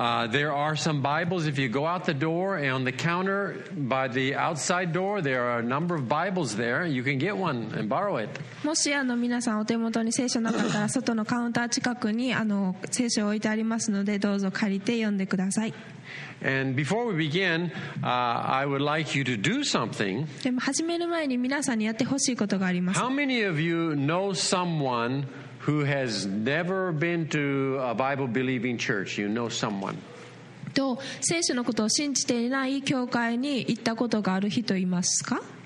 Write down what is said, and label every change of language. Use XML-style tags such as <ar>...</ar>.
<en>There are some Bibles. If you go out the door and on the counter by the outside door, there are a number of Bibles there. You can get one and borrow it.</en> <ja>もし皆さんお手元に聖書なかったら、外のカウンター近くに聖書を置いてありますので、どうぞ借りて読んでください。</ja> <en>And before we begin, I would like you to do something.</en> <ja>でも始める前に皆さんにやってほしいことがあります。</ja> <en>How many of you know someone who has never been to a Bible-believing church? You know someone.</en> <ja>と聖書のことを信じていない教会に行ったことがある人いますか？ん？</ja>